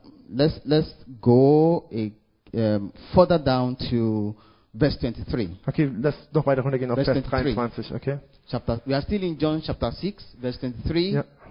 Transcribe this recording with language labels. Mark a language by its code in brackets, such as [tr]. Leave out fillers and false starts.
[en] Let's go further down to verse 23. [de] Okay, lass doch weiter runtergehen auf Vers 23. Okay. [en] Chapter. We are still in John chapter 6, verse